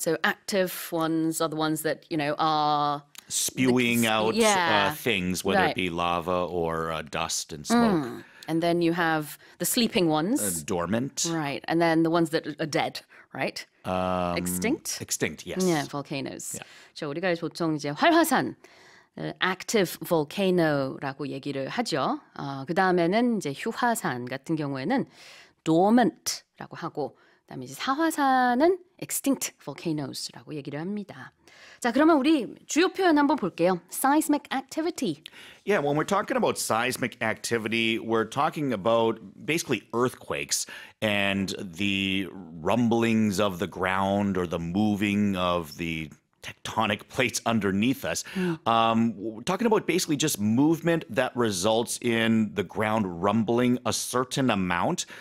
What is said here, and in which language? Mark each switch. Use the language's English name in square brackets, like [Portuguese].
[English] So active ones are the ones that, you know, are spewing out things, whether right. it be lava or dust and smoke. Mm. And then you have the sleeping ones. Dormant. Right. And then the ones that are dead, right? Extinct? Extinct, yes. Yeah, volcanoes. Yeah. [Korean] 자, 우리가 보통 이제 활화산. Active volcano라고 얘기를 하죠. 그 다음에는 이제 휴화산 같은 경우에는 dormant라고 하고, 그다음에 이제 사화산은 extinct volcanoes라고 얘기를 합니다. 자, 그러면 우리 주요 표현 한번 볼게요. [English] Seismic activity. Yeah, when we're talking about seismic activity, we're talking about basically earthquakes and the rumblings of the ground or the moving of the tectonic plates underneath us. We're talking about basically just movement that results in the ground rumbling a certain amount.